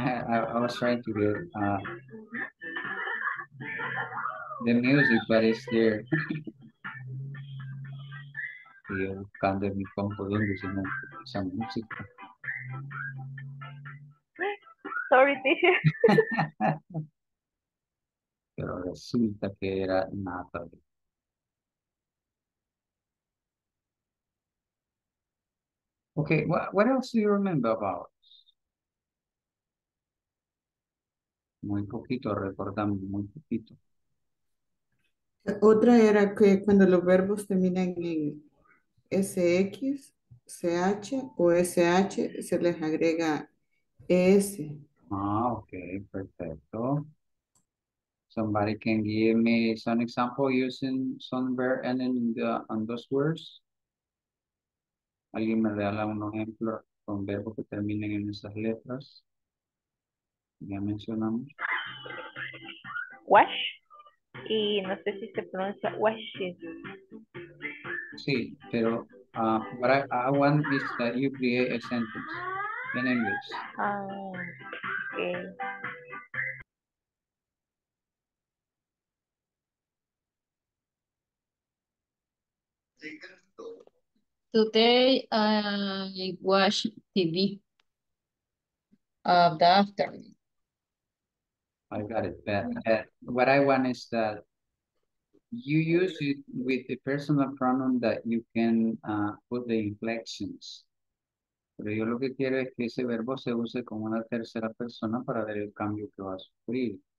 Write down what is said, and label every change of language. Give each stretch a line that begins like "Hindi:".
English: I was trying to get the music, but it's there.
Spanish: Y yo buscando en mi compu donde se me esa música.
English: Sorry, teacher.
Spanish: Pero resulta que era Natalie.
English: Okay, what else do you remember about?
Spanish: Muy poquito, recordamos, muy poquito. Otra era que cuando los verbos terminan en SX, CH o SH, se les agrega ES. Ah, ok, perfecto.
English: Somebody can give me some example using some verb and in the on those words.
Spanish: ¿Alguien me regala un ejemplo con verbos que terminen en esas letras? Ya mencionamos. Wash. Y no sé si se pronuncia washes. Sí, pero
English: what I want is that you create a sentence in English. Okay. Today I watch TV of the afternoon. I got it. What I want is that you use it with the personal pronoun that you can put the inflections.
Spanish: Pero yo lo que quiero es que ese verbo se use como una tercera persona para ver el cambio que va a sufrir.